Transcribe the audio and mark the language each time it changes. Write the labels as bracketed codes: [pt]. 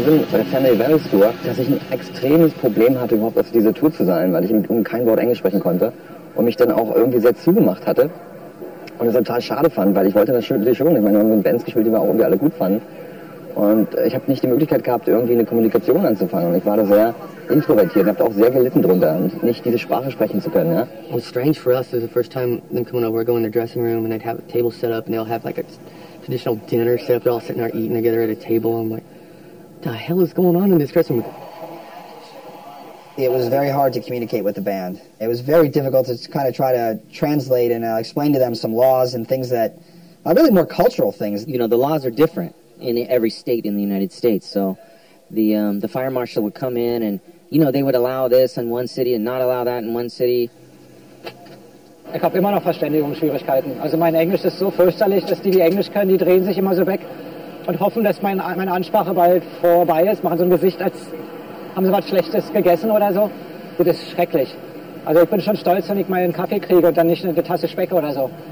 [de] Bei der Family Values Tour, dass ich ein extremes Problem hatte, überhaupt auf diese Tour zu sein, weil ich um kein Wort Englisch sprechen konnte und mich dann auch irgendwie sehr zugemacht hatte und das total schade fand, weil ich wollte natürlich schon, ich meine, wir haben so ein Bands gespielt, die wir auch irgendwie alle gut fanden und ich habe nicht die Möglichkeit gehabt, irgendwie eine Kommunikation anzufangen und ich war da sehr introvertiert und habe auch sehr gelitten drunter und nicht diese Sprache sprechen zu können, ja. [en] It was strange for us, it was the first time them coming over, going in the dressing room and they'd have a table set up and they'll have like a traditional dinner set up, they're all sitting there eating together at a table and like, what the hell is going on in this dressing room? It was very hard to communicate with the band. It was very difficult to kind of try to translate and explain to them some laws and things that are really more cultural things. You know, the laws are different in every state in the United States. So the fire marshal would come in and, you know, they would allow this in one city and not allow that in one city. [de] Ich habe immer noch Verständigungsschwierigkeiten. Also mein Englisch ist so fürchterlich, dass die Englisch können, die drehen sich immer so weg. Und hoffen, dass meine Ansprache bald vorbei ist. Machen so ein Gesicht, als haben sie was Schlechtes gegessen oder so. Das ist schrecklich. Also ich bin schon stolz, wenn ich mal einen Kaffee kriege und dann nicht eine Tasse Speck oder so.